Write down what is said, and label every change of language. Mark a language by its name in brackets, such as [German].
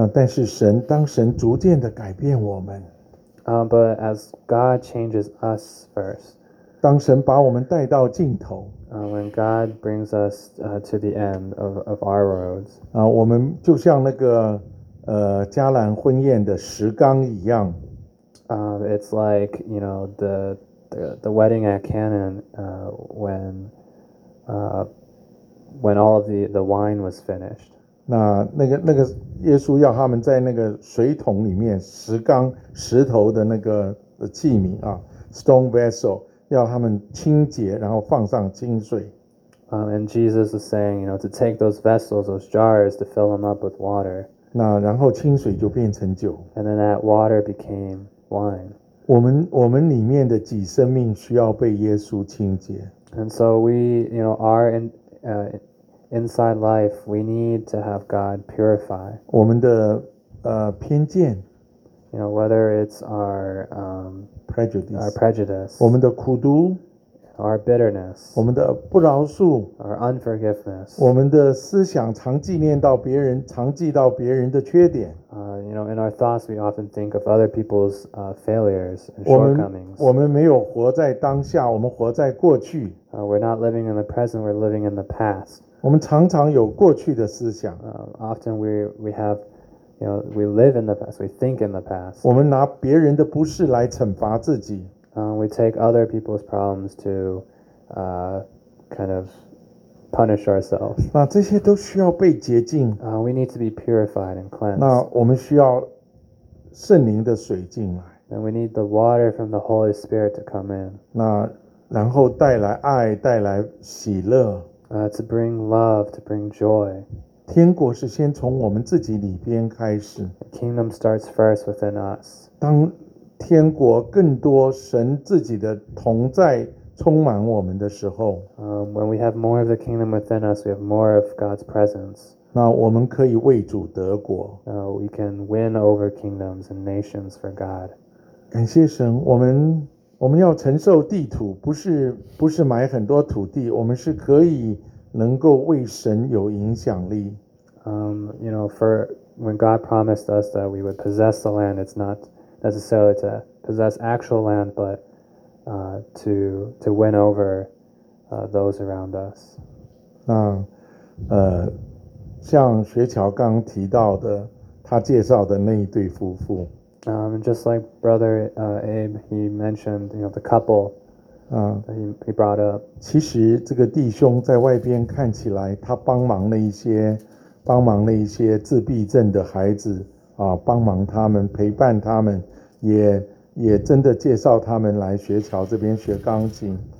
[Chinese] 但是神，当神逐渐的改变我们。 [English] But as God changes us first. [Chinese] 当神把我们带到尽头 [English] when God brings us to the end of our roads, [Chinese] 我们就像那个迦兰婚宴的石缸一样 [English] it's like you know the wedding at Canaan when all of the wine was finished. [Chinese] 那个耶稣要他们在那个水桶里面石缸石头的那个器皿啊 [English] stone vessel. [Chinese] 要他们清洁，然后放上清水。 [English] And Jesus is saying, you know, to take those vessels, those jars, to fill them up with water. [Chinese] 那然后清水就变成酒。 [English] And then that water became wine. [Chinese] 我们里面的己生命需要被耶稣清洁。 [English] And so we, you know, our inside life, we need to have God purify. [Chinese] 我们的偏见。 [English] You know, whether it's our [Chinese] prejudice, 我们的苦毒, [English] our bitterness, [Chinese] 我们的不饶恕, [English] our unforgiveness, [Chinese] 我们的思想常纪念到别人, 常记到别人的缺点。 [English] You know, in our thoughts, we often think of other people's failures and shortcomings. [Chinese] 我们没有活在当下, 我们活在过去。 [English] We're not living in the present, we're living in the past. [Chinese] 我们常常有过去的思想。 [English] Often we have... You know, we live in the past. We think in the past. [Chinese] 我们拿别人的不是来惩罚自己。 [English] We take other people's problems to, kind of punish ourselves. [Chinese] 那这些都需要被洁净。 [English] We need to be purified and cleansed. [Chinese] 那我们需要圣灵的水进来。 [English] And we need the water from the Holy Spirit to come in. [Chinese] 那然后带来爱，带来喜乐。 [English] To bring love, to bring joy. [Chinese] 天国是先从我们自己里边开始。 [English] The kingdom starts first within us. [Chinese] 当天国更多神自己的同在充满我们的时候 [English] ，When we have more of the kingdom within us, we have more of God's presence. [Chinese] 那我们可以为主得国。 [English] We can win over kingdoms and nations for God. [Chinese] 感谢神，我们要承受地土，不是买很多土地，我们是可以。能够为神有影响力。 [English] You know, for when God promised us that we would possess the land, it's not necessarily to possess actual land, but to win over those around us. [Chinese] 那像学乔刚提到的，他介绍的那一对夫妇。 [English] Just like Brother Abe, he mentioned, you know, the couple. He brought up. [Chinese] 其实这个弟兄在外边看起来，他帮忙了一些自闭症的孩子啊，帮忙他们，陪伴他们，也真的介绍他们来学桥这边学钢琴。